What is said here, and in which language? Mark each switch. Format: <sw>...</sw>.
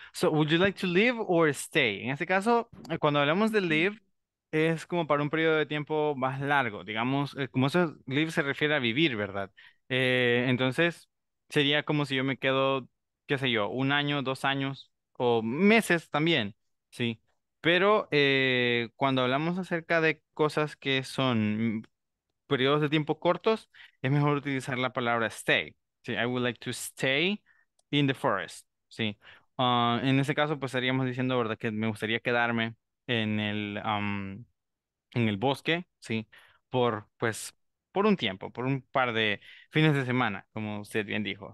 <en>So, would you like to live or stay?</en> <es>En este caso, cuando hablamos de live, es como para un periodo de tiempo más largo, digamos, como eso, live se refiere a vivir, ¿verdad? Entonces, sería como si yo me quedo, qué sé yo, un año, 2 años o meses también, ¿sí? Pero cuando hablamos acerca de cosas que son periodos de tiempo cortos, es mejor utilizar la palabra stay.</es> <en>Sí, I would like to stay in the forest.</en> <es>Sí. En ese caso, pues estaríamos diciendo, ¿verdad?, que me gustaría quedarme en el bosque, sí, por un tiempo, por un par de fines de semana, como usted bien dijo.</es>